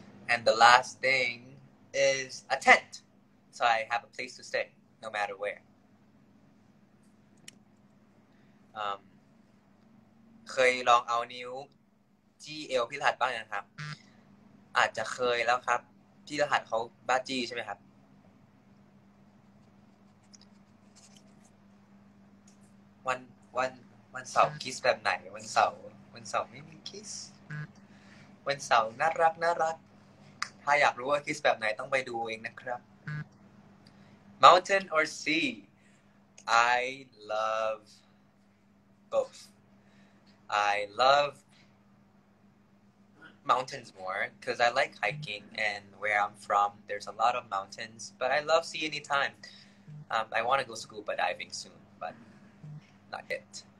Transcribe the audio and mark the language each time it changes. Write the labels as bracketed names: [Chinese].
[English] And the last thing is a tentSo I have a place to stay, no matter where. [Thai] เคยลองเอานิ้วจี้เอวพี่รหัสบ้างยังครับอาจจะเคยแล้วครับพี่รหัสเขาบ้าจี้ใช่ไหมครับวันเสาร์คิสแบบไหนวันเสาร์ไม่มีคิสวันเสาร์น่ารักถ้าอยากรู้ว่าคิสแบบไหนต้องไปดูเองนะครับ [English] Mountain or sea? I love both. I love mountains more because I like hiking and where I'm from, there's a lot of mountains. But I love sea anytime. I want to go scuba diving soon, but not yet.